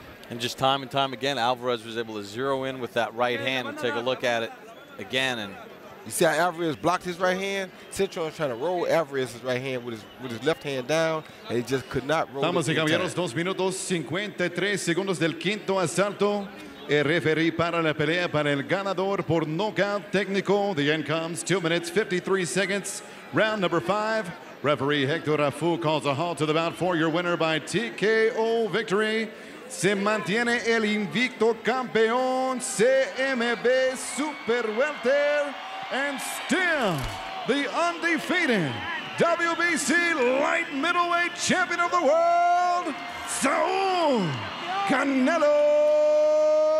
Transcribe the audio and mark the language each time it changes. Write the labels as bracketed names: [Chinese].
[English] And just time and time again, Alvarez was able to zero in with that right hand and take a look at it again. And you see how Alvarez blocked his right hand? Cintron was trying to roll Alvarez's right hand with his left hand down, and he just could not roll [Spanish] it. Damas y caballeros, 2 minutos 53 segundos del quinto asalto. El referee para la pelea para el ganador por knockout técnico. [English] The end comes 2 minutes 53 seconds. Round number 5. Referee Hector Afu calls a halt to the bout for your winner by TKO victory. [Spanish] Se mantiene el invicto campeón CMB Super Welter. [English] And still the undefeated WBC light middleweight champion of the world, Saul Canelo.